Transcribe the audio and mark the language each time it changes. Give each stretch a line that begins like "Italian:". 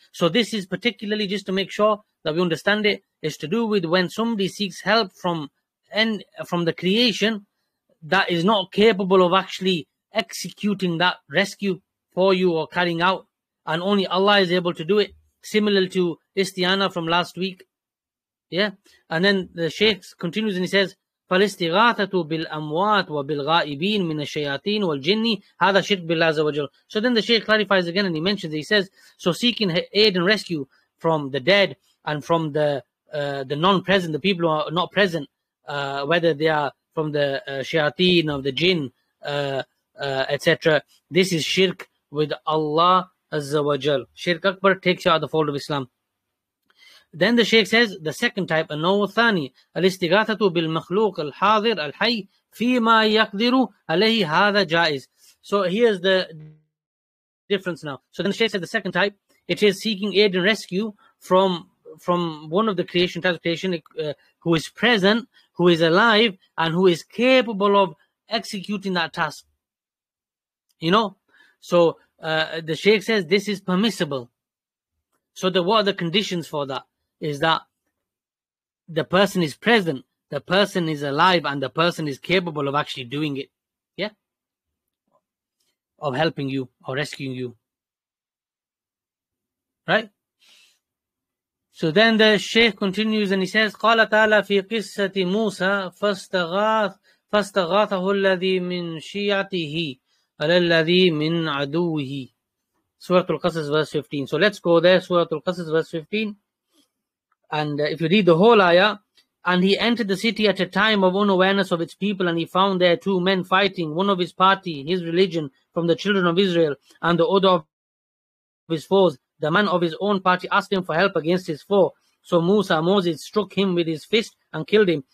English: So this is particularly, just to make sure that we understand it, is to do with when somebody seeks help from the creation that is not capable of actually executing that rescue for you or carrying out, and only Allah is able to do it, similar to Istiana from last week. Yeah. And then the Shaykh continues and he says,
Arabic: فَالِاسْتِغَاثَةُ بِالْأَمْوَاتِ وَبِالْغَائِبِينَ مِنَ الشَّيَاطِينَ وَالْجِنِّ هَذَا شِرْكٌ بِاللَّهِ عَزَّ وَجَلَّ.
English: So then the Shaykh clarifies again and he mentions, he says, so seeking aid and rescue from the dead and from the non-present, the people who are not present, whether they are from the shayateen of the jinn, etc. This is shirk with Allah Azza wa Jal. Shirk Akbar takes you out of the fold of Islam. Then the Shaykh says, the second type,
Arabic: النَّوْ الثَّانِي الْإِسْتِغَاثَةُ بِالْمَخْلُوقِ الْحَاضِرِ الْحَيِّ فِي مَا يَقْدِرُ عَلَيْهِ هَذَا جَائِزٍ.
English: So here's the difference now. So then the Shaykh said, the second type, it is seeking aid and rescue from one of the creation, type of creation, who is present, who is alive, and who is capable of executing that task. You know, so the Shaykh says this is permissible. So what are the conditions for that? Is that the person is present, the person is alive, and the person is capable of actually doing it. Yeah? Of helping you or rescuing you. Right? So then the Shaykh continues and he says,
Arabic: قَالَ تَعَلَى فِي قِسَّةِ مُوسَى فَاسْتَغَاثَهُ الَّذِي مِنْ شِيَعْتِهِ الَّذِي مِنْ عَدُوهِ.
English: Surah Al-Qasas verse 15. So let's go there, Surah Al-Qasas verse 15. And if you read the whole ayah, and he entered the city at a time of unawareness of its people, and he found there two men fighting, one of his party, his religion, from the children of Israel, and the other of his foes. The man of his own party asked him for help against his foe. So Moses struck him with his fist and killed him.